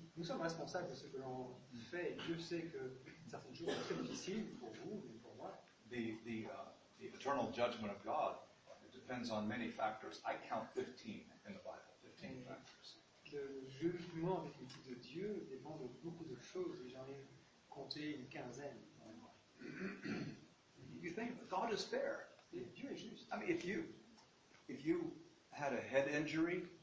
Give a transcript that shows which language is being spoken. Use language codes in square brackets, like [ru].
[fr] Nous sommes responsables de ce que l'on fait. Dieu sait que certaines choses sont très difficiles pour vous et pour moi. [en] The eternal judgment of God depends on many factors. I count 15 in the Bible. 15 factors. [fr] Le jugement définitif de Dieu dépend de beaucoup de choses et j'en ai compté une quinzaine. [en] You think God is fair? [fr] Et Dieu est juste. [en] I mean, if you had a head injury,